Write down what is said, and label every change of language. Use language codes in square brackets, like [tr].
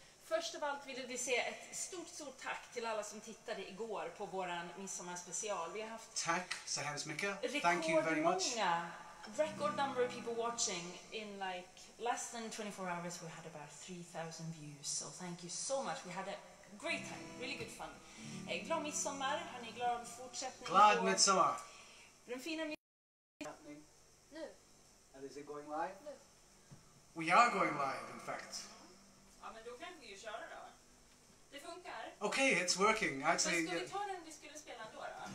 [sv] Först av allt ville vi säga ett stort, stort tack till alla som tittade igår på våran midsommarspecial. Vi har haft tack så hemskt mycket. [en] Thank you very much. Record number of people watching in like less than 24 hours. We had about 3,000 views. So thank you so much. We had a great time. Really good fun. [sv] Glad midsommar. Har ni glad fortsättning? Glad midsommar. Den fina midsommar. Nu. [en] And is it going live? No. We are going live, in fact. [sv] Ja, men då kan vi ju köra då. Det funkar. [en] Okay, it's working. Actually, [sv] skulle ta den vi skulle spela då?